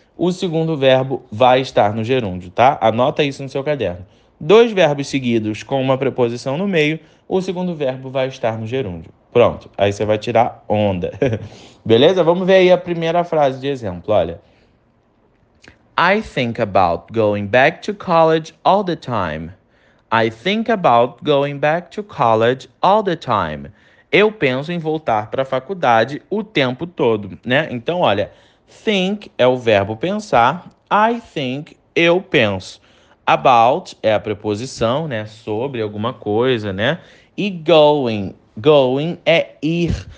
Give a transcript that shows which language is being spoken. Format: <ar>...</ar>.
<pt>O segundo verbo vai estar no gerúndio, tá? Anota isso no seu caderno. Dois verbos seguidos com uma preposição no meio, o segundo verbo vai estar no gerúndio. Pronto, aí você vai tirar onda. Beleza? Vamos ver aí a primeira frase de exemplo, olha.</pt> <en>I think about going back to college all the time. I think about going back to college all the time.</en> <pt>Eu penso em voltar para a faculdade o tempo todo, né? Então, olha, think é o verbo pensar.</pt> <en>I think,</en> <pt>eu penso. About é a preposição, né? Sobre alguma coisa, né? E going é ir.</pt>